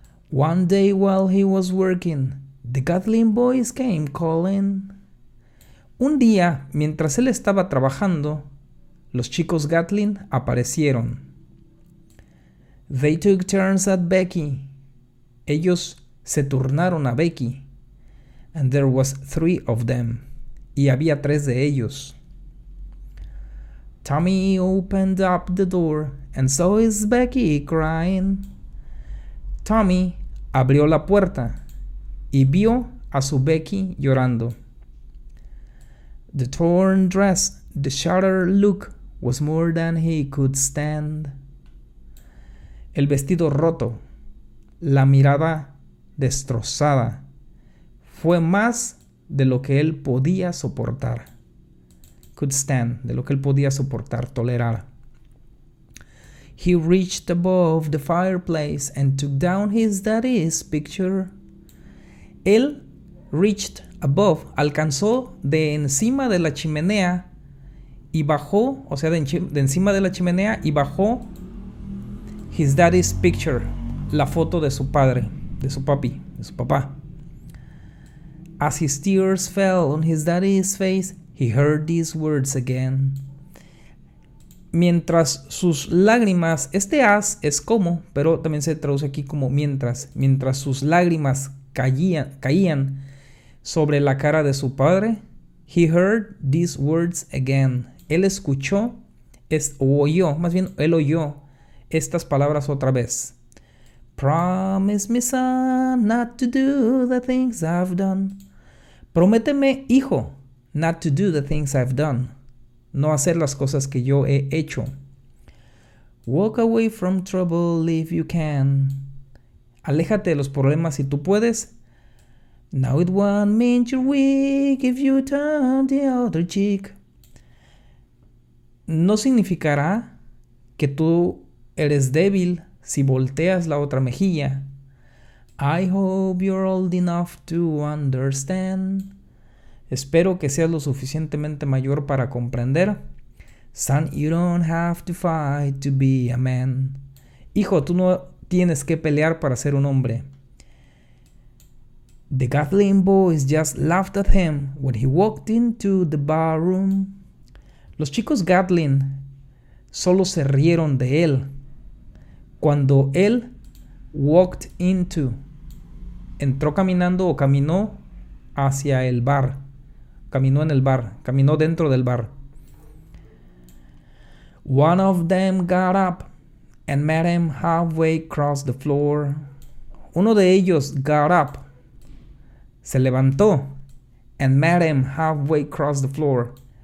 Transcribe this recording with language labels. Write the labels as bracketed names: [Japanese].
[English] One day while he was working, the Gatling boys came calling. [Spanish] Un día, mientras él estaba trabajando, los chicos Gatling aparecieron. [English] They took turns at Becky. [Spanish] Ellos se turnaron a Becky. [English] And there was three of them. Y había tres de ellos. Tommy opened up the door and saw his Becky crying. [Spanish] Tommy abrió la puerta y vio a su Becky llorando. [English] The torn dress, the shattered look was more than he could stand. [Spanish] El vestido roto, la mirada destrozada, fue más de lo que él podía soportar. [English] Could stand, [Spanish] de lo que él podía soportar, tolerar. [English] He reached above the fireplace and took down his daddy's picture. [Spanish] Él [English] reached above, [Spanish] alcanzó de encima de la chimenea y bajó, o sea, de encima de la chimenea y bajó [English] his daddy's picture, [Spanish] la foto de su padre, de su papi, de su papá. [English] As his tears fell on his daddy's face, he heard these words again. [Spanish] Mientras sus lágrimas, este as es como, pero también se traduce aquí como mientras sus lágrimas caían sobre la cara de su padre, [English] he heard these words again. [Spanish] Él escuchó, él oyó estas palabras otra vez. [English] Promise me, son, not to do the things I've done. [Spanish] Prométeme, hijo, [English] not to do the things I've done. [Spanish] No hacer las cosas que yo he hecho. [English] Walk away from trouble if you can. [Spanish] Aléjate de los problemas si tú puedes. [English] Now it won't mean you're weak if you turn the other cheek. [Spanish] No significará que tú eres débil si volteas la otra mejilla. [English] I hope you're old enough to understand. [Spanish] Espero que seas lo suficientemente mayor para comprender. [English] Son, you don't have to fight to be a man. [Spanish] Hijo, tú no tienes que pelear para ser un hombre. [English] The Gatling boys just laughed at him when he walked into the barroom. [Spanish] Los chicos Gatling solo se rieron de él cuando él [English] walked into. [Spanish] Entró caminando o caminó hacia el bar. Caminó en el bar. Caminó dentro del bar. [English] One of them got up and met him halfway across the floor. [Spanish] Uno de ellos [English] got up. [Spanish] Se levantó. [English] And met him halfway across the floor.